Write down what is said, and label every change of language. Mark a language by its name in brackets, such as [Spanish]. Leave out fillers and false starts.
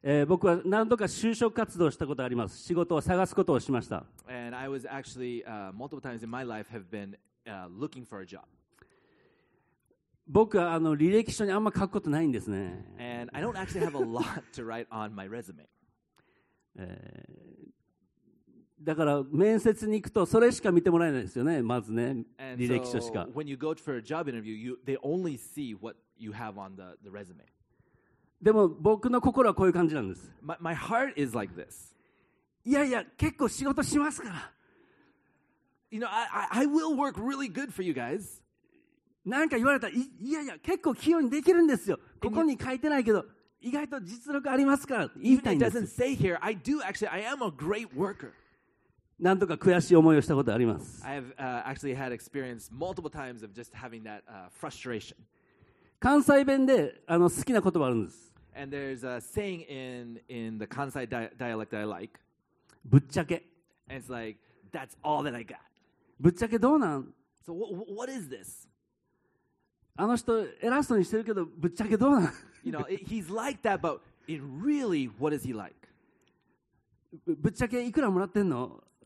[Japanese] 僕は何度か就職活動したことがあります。仕事を探すことをしました。 [English] And I was actually multiple times in my life have been looking for a job. [Japanese] 僕は履歴書にあんま書くことないんですね。 [English] And I don't actually have a lot to write on my resume. [Japanese] だから面接に行くとそれしか見てもらえないですよね。まずね、履歴書しか。 [English] And so, when you go for a job interview, they only see what you have on the resume. [Japanese] でも僕の心はこういう感じなんです。 [English] My heart is like this. [Japanese] いやいや、結構仕事しますから。 [English] You know, I will work really good for you guys. [Japanese] なんか言われたら、いやいや、結構器用にできるんですよ。ここに書いてないけど、意外と実力ありますから言いたいんです。 [English] Even if it doesn't say here, I do actually, I am a great worker. [Japanese] なんとか悔しい思いをしたことあります。 [English] I have actually had experience multiple times of just having that frustration. [Japanese] 関西弁で好きな言葉あるんです。 [English] And there's a saying in the Kansai dialect that I like. [Japanese] ぶっちゃけ。 [English] And it's like, that's all that I got. [Japanese] ぶっちゃけどうなん? [English] So what is this? [Japanese] あの人偉そうにしてるけどぶっちゃけどうなん? [English] You know, he's like that, but in really, what is he like? [Japanese] ぶっちゃけいくらもらってんの?